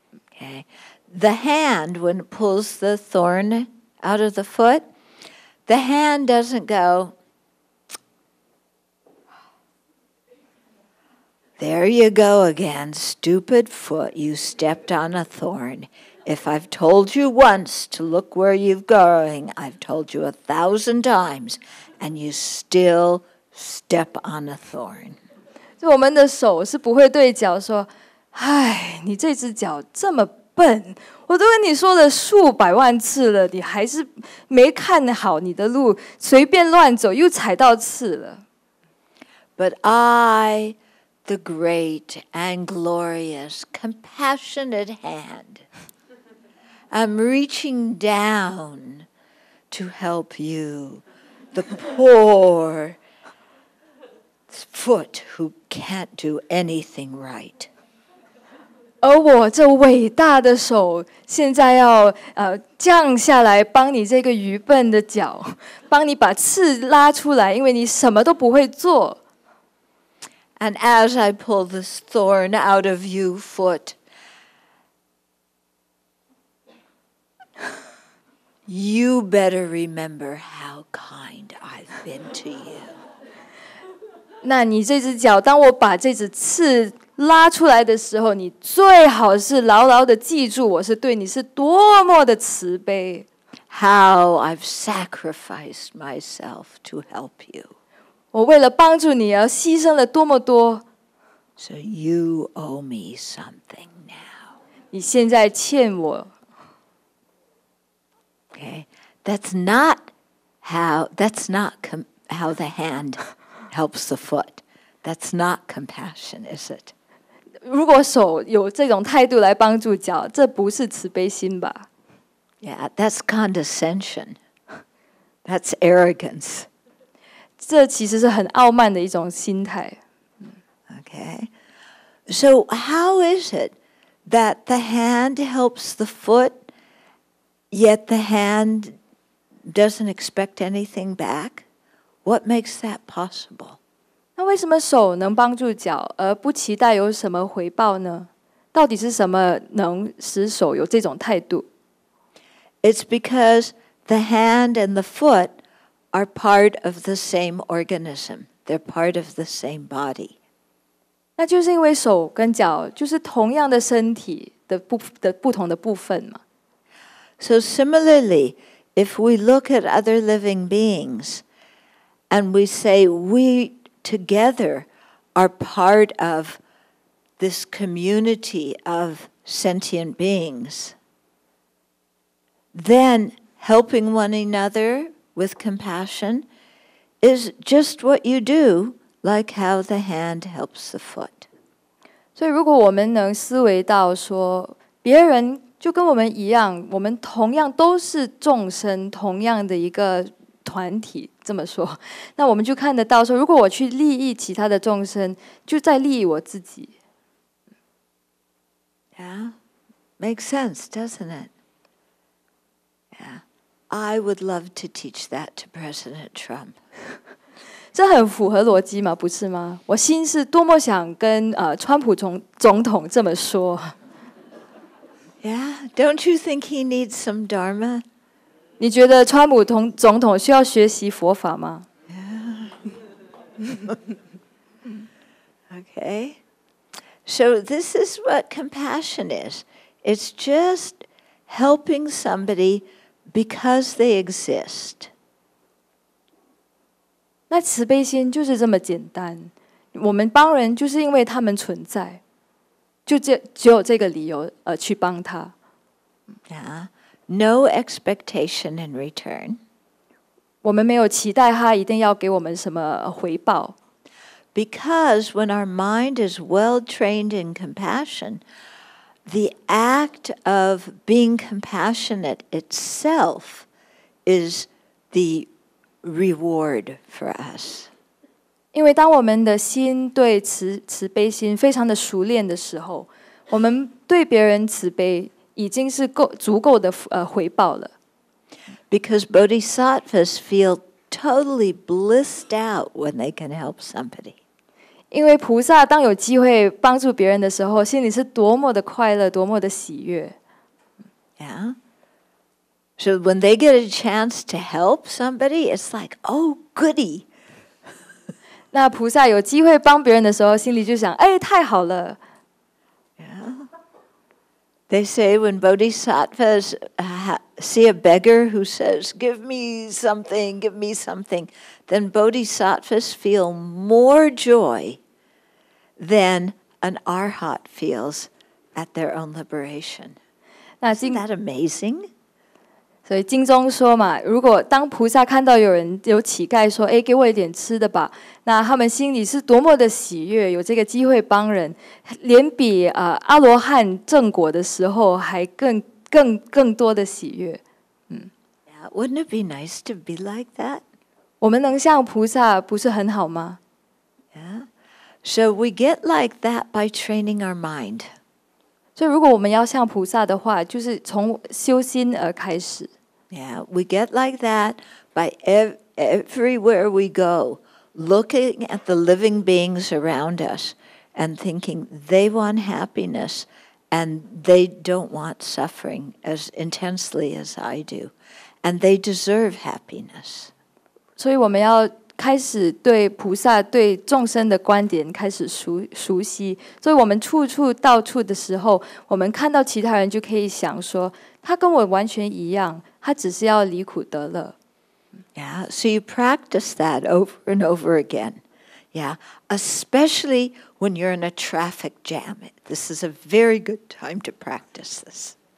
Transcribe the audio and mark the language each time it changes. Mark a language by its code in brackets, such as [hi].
[en] Okay. The hand, when it pulls the thorn out of the foot, the hand doesn't go, there you go again, stupid foot, you stepped on a thorn. If I've told you once to look where you're going, I've told you 1,000 times, and you still step on a thorn. [zh] 我们的手是不会对脚说，唉，你这只脚这么笨，我都跟你说了数百万次了，你还是没看好你的路，随便乱走又踩到刺了。 [en] But I, the great and glorious compassionate hand, am reaching down to help you, the poor foot who can't do anything right. [zh] 而我这伟大的手现在要降下来帮你这个愚笨的脚，帮你把刺拉出来，因为你什么都不会做。 [en] And as I pull this thorn out of you foot, you better remember how kind I've been to you. [zh] 那你这只脚，当我把这只刺拉出来的时候，你最好是牢牢地记住我是对你是多么的慈悲。 [en] How I've sacrificed myself to help you. [zh] 我为了帮助你而牺牲了多么多。 [en] So you owe me something now. [zh] 你现在欠我。 [en] Okay, that's not how, that's not how the hand helps the foot. That's not compassion, is it? [zh] 如果手有这种态度来帮助脚，这不是慈悲心吧？ [en] Yeah, that's condescension. That's arrogance. [zh] 这其实是很傲慢的一种心态。 [en] Okay. So how is it that the hand helps the foot, yet the hand doesn't expect anything back? What makes that possible? [zh] 那为什么手能帮助脚而不期待有什么回报呢？到底是什么能使手有这种态度？ [en] It's because the hand and the foot are part of the same organism. They're part of the same body. [zh] 那就是因为手跟脚就是同样的身体的不同的部分嘛。 [en] So similarly, if we look at other living beings and we say we together are part of this community of sentient beings, then helping one another with compassion is just what you do, like how the hand helps the foot. [zh] 所以如果我们能思维到说别人就跟我们一样，我们同样都是众生，同样的一个团体，这么说，那我们就看得到说，如果我去利益其他的众生，就在利益我自己。 [en] Yeah, makes sense, doesn't it? Yeah, I would love to teach that to President Trump. [zh] 这很符合逻辑嘛，不是吗？我心是多么想跟川普总统这么说。 [en] Yeah, don't you think he needs some dharma? [zh] 你觉得川普总统需要学习佛法吗？ [en] Yeah. Okay. So this is what compassion is. It's just helping somebody because they exist. [zh] 那慈悲心就是这么简单。我们帮人就是因为他们存在。就只有这个理由去帮他。 [en] Yeah. No expectation in return. [zh] 我们没有期待他一定要给我们什么回报。 [en] Because when our mind is well trained in compassion, the act of being compassionate itself is the reward for us. [zh] 因为当我们的心对 慈悲心非常的熟练的时候，我们对别人慈悲已经是足够的回报了。 [en] Because bodhisattvas feel totally blissed out when they can help somebody. [zh] 因为菩萨当有机会帮助别人的时候，心里是多么的快乐，多么的喜悦。 [en] Yeah. So when they get a chance to help somebody, it's like, oh, goody. [zh] 那菩萨有机会帮别人的时候，心里就想：“哎，太好了。 [en] ”Yeah. They say when bodhisattvas see a beggar who says, "Give me something, give me something," then bodhisattvas feel more joy than an arhat feels at their own liberation. Isn't that amazing? [zh] 所以经中说嘛，如果当菩萨看到有人有乞丐说：“哎，给我一点吃的吧。” 那他们心里是多么的喜悦，有这个机会帮人，连比阿罗汉正果的时候还更多的喜悦。 [en] Yeah, wouldn't it be nice to be like that? [zh] 我们能像菩萨不是很好吗？ [en] Yeah, so we get like that by training our mind. [zh] 所以如果我们要像菩萨的话，就是从修心而开始。 [en] Yeah, we get like that by everywhere we go. Looking at the living beings around us and thinking they want happiness and they don't want suffering as intensely as I do. And they deserve happiness. [zh] 所以我们要开始对菩萨对众生的观点开始熟悉。所以我们处处到处的时候，我们看到其他人就可以想说，他跟我完全一样，他只是要离苦得乐。 [en] Yeah, so you practice that over and over again. Yeah, especially when you're in a traffic jam. This is a very good time to practice this.